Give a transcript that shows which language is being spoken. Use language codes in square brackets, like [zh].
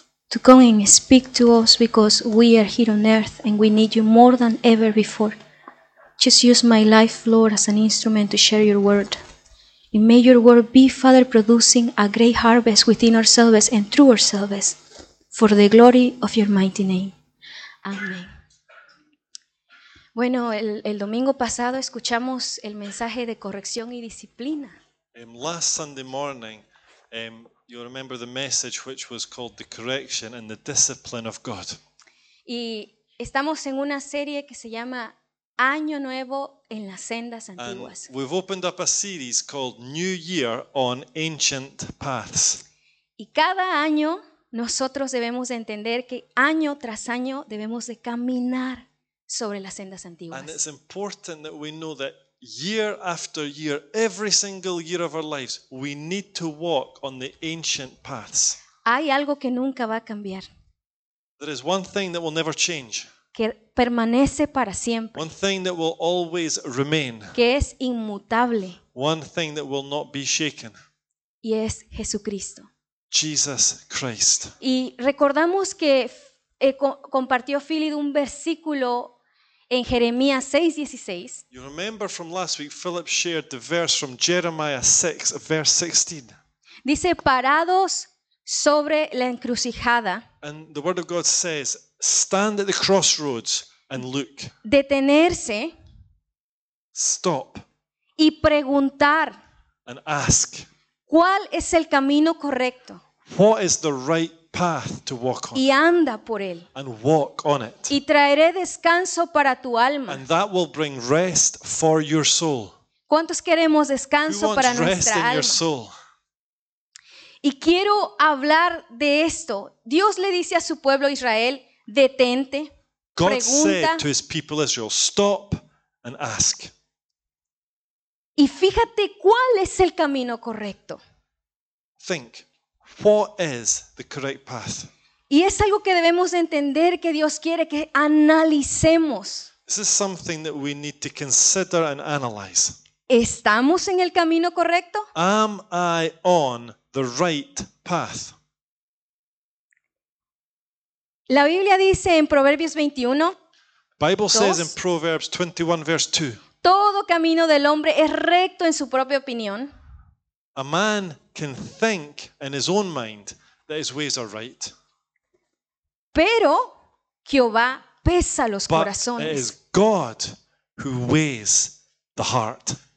[en] To come and speak to us, because we are here on earth and we need you more than ever before. Just use my life, Lord, as an instrument to share your word. And may your word be, Father, producing a great harvest within ourselves and through ourselves for the glory of your mighty name. [es] Amén. Bueno, el domingo pasado escuchamos el mensaje de corrección y disciplina. [en] Last Sunday morning, you remember the message which was called The Correction and the Discipline of God. [es] Y estamos en una serie que se llama Año Nuevo en las Sendas Antiguas. [en] And we've opened up a series called New Year on Ancient Paths. [es] Y cada año nosotros debemos de entender que año tras año debemos de caminar sobre las sendas antiguas. [en] And it's important that we know that year after year, every single year of our lives, we need to walk on the ancient paths. [es] Hay algo que nunca va a cambiar. [en] There is one thing that will never change. [es] Que permanece para siempre. [en] One thing that will always remain. [es] Que es inmutable. [en] One thing that will not be shaken. [es] Y es Jesucristo. [en] Jesus Christ. [es] Y recordamos que compartió Philip un versículo en Jeremías 6:16. [en] You remember from last week, Philip shared the verse from Jeremiah 6, verse 16. [es] Dice, parados sobre la encrucijada. [en] And the word of God says, stand at the crossroads and look. [es] Detenerse. [en] Stop. [es] Y preguntar. [en] And ask. [es] ¿Cuál es el camino correcto? [en] What is the right path to walk on? [es] Y anda por él. [en] And walk on it. [es] Y traeré descanso para tu alma. [en] And that will bring rest for your soul. [es] ¿Cuántos queremos descanso para nuestra alma? [en] Your soul? [es] Y quiero hablar de esto. Dios le dice a su pueblo Israel, detente, [en] God [es] pregunta. [en] Said to his people Israel, stop and ask. [es] Y fíjate cuál es el camino correcto. [en] Think, what is the correct path? [es] Y es algo que debemos entender que Dios quiere que analicemos. [en] This is something that we need to consider and analyze. [es] ¿Estamos en el camino correcto? [en] Am I on the right path? [es] La Biblia dice en Proverbios 21. [en] Bible says in Proverbs 21 verse 2. [es] Todo camino del hombre es recto en su propia opinión. [en] A man can think in his own mind that his ways are right. [es] Pero Jehová pesa los corazones. [en] But it is God who weighs the heart.